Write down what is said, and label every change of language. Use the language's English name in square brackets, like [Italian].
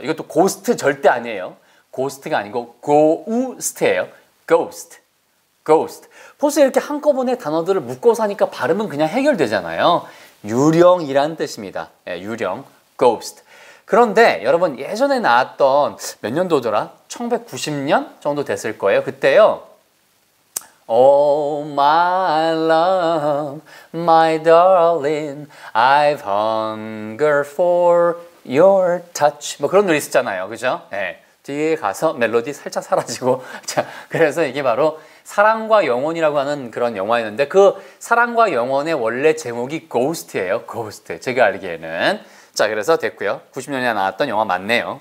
[Korean] 이것도 Ghost 절대 아니에요. Ghost가 아니고 Ghost예요. [English] Ghost. Ghost. [Korean] 보세요, 이렇게 한꺼번에 단어들을 묶어서 하니까 발음은 그냥 해결되잖아요. 유령이란 뜻입니다. 예, 유령. Ghost. 그런데 여러분 예전에 나왔던 몇 년도더라? 1990년 정도 됐을 거예요. 그때요. [English] Oh my love, my darling, I've hunger for your touch. [Korean] 뭐 그런 노래 있었잖아요. 그죠? 예. 네. 뒤에 가서 멜로디 살짝 사라지고. 자, 그래서 이게 바로 사랑과 영혼이라고 하는 그런 영화였는데 그 사랑과 영혼의 원래 제목이 Ghost예요. Ghost. 제가 알기에는. 자, 그래서 됐고요. 90년에 나왔던 영화 맞네요.